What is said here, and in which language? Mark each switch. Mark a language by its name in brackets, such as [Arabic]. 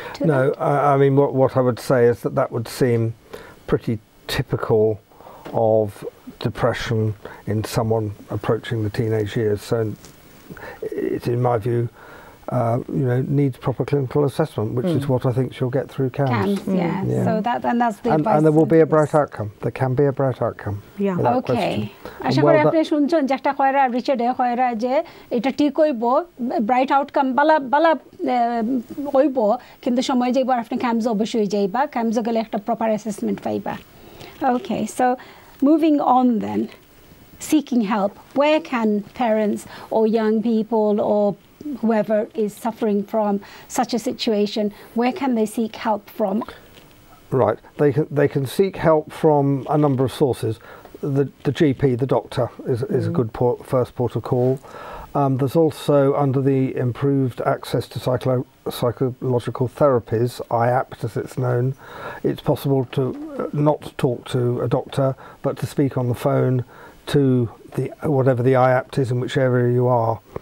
[English] I mean, what I would say is that that would seem pretty typical of depression in someone approaching the teenage years. So it's, in my view, needs proper clinical assessment, which is what I think she'll get through CAMHS. Yeah. So that's the advice. And there will be a bright outcome. There can be a bright outcome. Yeah. Okay. [Bangla] আচ্ছা করে আপনি শুনছেন যে একটা কয়রা রিচার্ডে কয়রা যে এটা ঠিক হইব ব্রাইট আউটকাম বালা হইব কিন্তু সময় যাইব আপনি CAMHS অবশ্যই যাইবা CAMHS গেলে একটা প্রপার অ্যাসেসমেন্ট পাইবা [English] Okay so moving on then seeking help where can parents or young people or whoever is suffering from such a situation, where can they seek help from? Right, they can seek help from a number of sources. The GP, the doctor, is a good first port of call. There's also, under the Improved Access to Psychological Therapies, IAPT as it's known, it's possible to not talk to a doctor, but to speak on the phone to the whatever the IAPT is in which area you are.